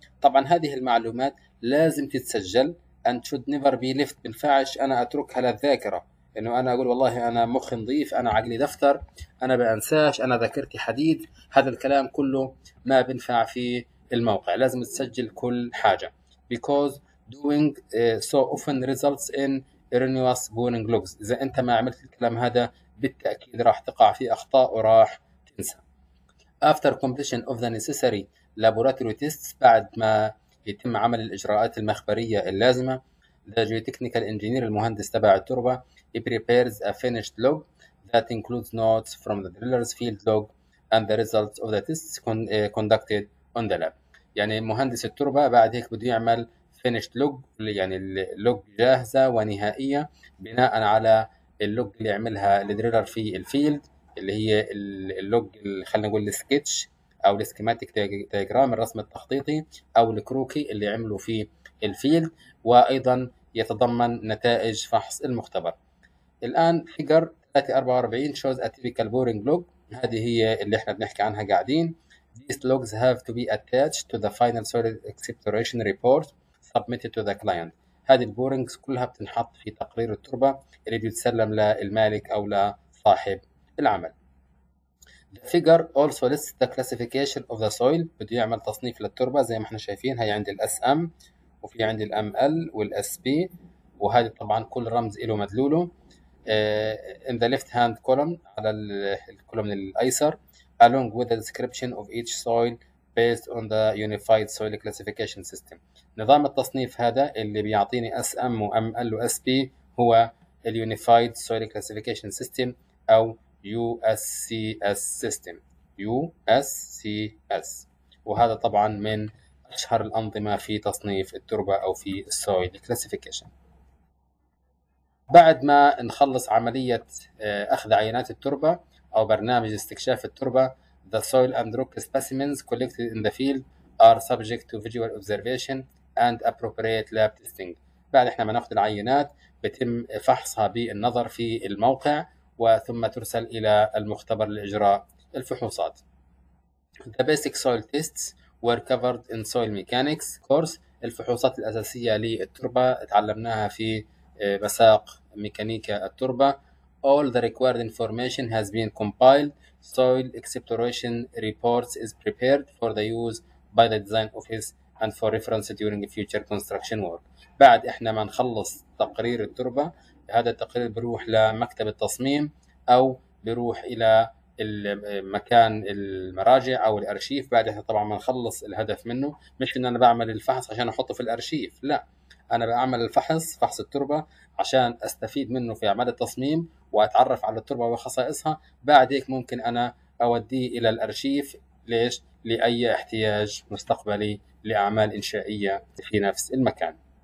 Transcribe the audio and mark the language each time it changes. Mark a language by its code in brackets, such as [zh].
[ar] طبعا هذه المعلومات لازم تتسجل [en] and should never be left، [ar] ما ينفعش انا اتركها للذاكره، انه انا اقول والله انا مخي نظيف، انا عقلي دفتر، انا بانساش، انا ذاكرتي حديد، هذا الكلام كله ما بنفع في الموقع، لازم تسجل كل حاجه. Because doing so often results in erroneous boring logs، اذا انت ما عملت الكلام هذا بالتاكيد راح تقع في اخطاء وراح تنسى. [en] After completion of the necessary laboratory tests، [ar] بعد ما يتم عمل الاجراءات المخبريه اللازمه، [en] the geotechnical engineer، [ar] المهندس تبع التربه، [en] he prepares a finished log that includes notes from the driller's field log and the results of the tests conducted on the lab. [ar] يعني مهندس التربة بعد هيك بده يعمل finished log، يعني اللوج جاهزة ونهائية بناء على اللوج اللي عملها الدريلر في الفيلد، اللي هي اللوج خلينا نقول السكتش او السكيماتيك دايجرام، الرسم التخطيطي او الكروكي اللي عمله في الفيلد، وايضا يتضمن نتائج فحص المختبر. الآن فيجر 344 [en] shows a typical boring log، [ar] هذه هي اللي احنا بنحكي عنها قاعدين. [en] These logs have to be attached to the final solid exploration report submitted to the client. [ar] هذه البورينجز كلها بتنحط في تقرير التربة اللي بيتسلم للمالك أو لصاحب العمل. [en] The figure also lists the classification of the soil، [ar] بده يعمل تصنيف للتربة زي ما احنا شايفين، هي عندي الاس ام وفي عندي الام ال والاس بي، وهذه طبعا كل رمز له مدلوله. [en] In the left hand column، [ar] على الكولوم الايسر، [en] along with the description of each soil based on the unified soil classification system، [ar] نظام التصنيف هذا اللي بيعطيني SM و ML و SP هو ال unified soil classification system او USCS system، USCS، وهذا طبعا من اشهر الانظمة في تصنيف التربة او في soil classification. بعد ما نخلص عملية أخذ عينات التربة أو برنامج استكشاف التربة، [en] the soil and rock specimens collected in the field are subject to visual observation and appropriate lab testing. [ar] بعد إحنا ما نأخذ العينات بتم فحصها بالنظر في الموقع وثم ترسل إلى المختبر لإجراء الفحوصات. [en] The basic soil tests were covered in soil mechanics course. [ar] الفحوصات الأساسية للتربة تعلمناها في مساق ميكانيكا التربة. [en] All the required information has been compiled. Soil exploration reports is prepared for the use by the design office and for reference during future construction work. [ar] بعد احنا ما نخلص تقرير التربة، هذا التقرير بروح لمكتب التصميم او بروح الى المكان المراجع او الارشيف بعدها طبعا ما نخلص الهدف منه، مش ان انا بعمل الفحص عشان احطه في الارشيف، لا انا بعمل الفحص فحص التربه عشان استفيد منه في اعمال التصميم واتعرف على التربه وخصائصها، بعد هيك ممكن انا اوديه الى الارشيف ليش؟ لاي احتياج مستقبلي لاعمال انشائيه في نفس المكان.